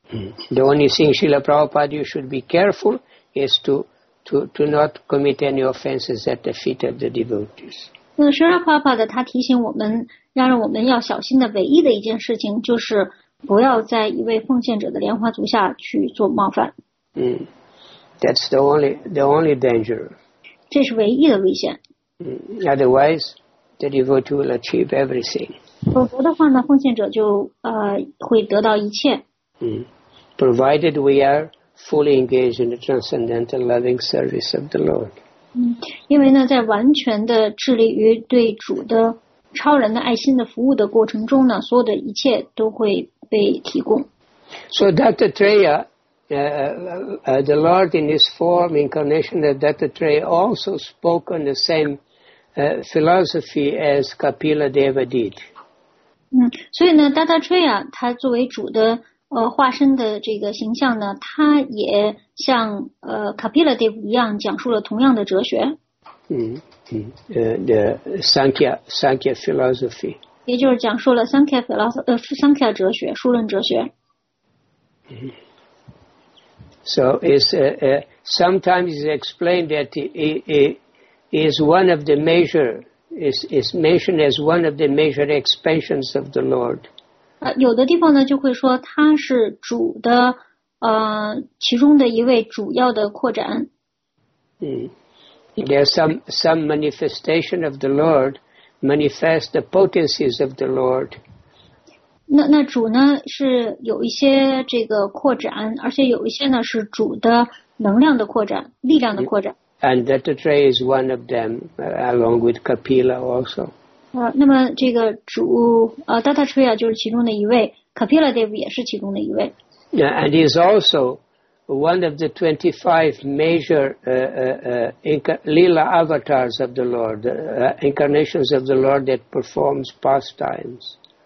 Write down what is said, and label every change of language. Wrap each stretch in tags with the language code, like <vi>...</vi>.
<en>The only thing, Srila Prabhupada, you should be careful is to not commit any offenses at the feet of the devotees.</en> <zh>Srila Prabhupada 他提醒我们，然而我们要小心的唯一的一件事情就是不要在一位奉献者的莲花足下去做冒犯。</zh> <en>That's the only danger.</en> <zh>这是唯一的危险。</zh> <en>Otherwise, the devotee will achieve everything.</en> <zh>否则的话呢，奉献者就会得到一切。</zh> <en>Provided we are fully engaged in the transcendental loving service of the Lord.</en> <zh>因为呢，在完全的致力于对主的超人的爱心的服务的过程中呢，所有的一切都会被提供。</zh> <en>So Dr. Treya, the Lord in His form incarnation, that Dr. Treya also spoke on the same philosophy as Kapila Deva did.</en> <zh>所以呢 ，Dr. Treya 他作为主的化身的这个形象呢，他也像Kapila Deva 一样讲述了同样的哲学。</zh> <en>The Sankhya philosophy.</en> <zh>也就是讲述了 Sankhya philosophy, Sankhya 哲学，数论哲学。</zh> <en>So it's sometimes it's explained that it is one of the measure is mentioned as one of the major expansions of the Lord.</en> <zh>有的地方呢就会说它是主的其中的一位主要的扩展。</zh> <en>There's some manifestation of the Lord manifest the potencies of the Lord.</en> <zh>那主呢是有一些这个扩展，而且有一些呢是主的能量的扩展，力量的扩展。</zh> <en>And that tree is one of them, along with Kapila also.</en> <zh>那么这个主Dada Treya 就是其中的一位 ，Kapila Dev 也是其中的一位。</zh> <en>And is also one of the 25 major Lila avatars of the Lord, incarnations of the Lord that performs pastimes.</en>